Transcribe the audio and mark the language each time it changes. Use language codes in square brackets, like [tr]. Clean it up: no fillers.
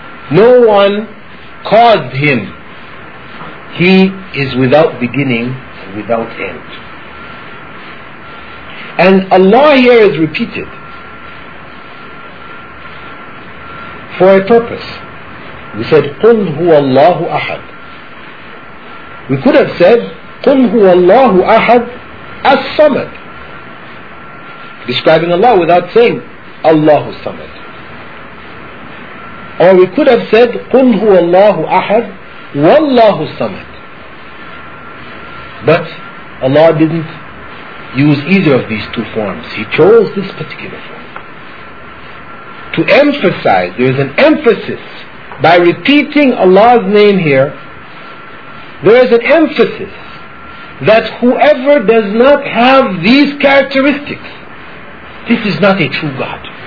[en] No one caused him. He is without beginning, without end. And Allah here is repeated for a purpose. We said, [ar] قُلْ هُوَ اللَّهُ أَحَدْ. [en] We could have said, [ar] قُلْ هُوَ اللَّهُ أَحَدْ الصَّمَدْ. [en] Describing Allah without saying, [ar] اللَّهُ الصَّمَدْ. [en] Or we could have said, [ar] قُلْ هُوَ اللَّهُ أَحَدْ وَاللَّهُ الصَّمَدْ. [en] But Allah didn't use either of these two forms. He chose this particular form. To emphasize, there is an emphasis by repeating Allah's name here. There is an emphasis that whoever does not have these characteristics, this is not a true God.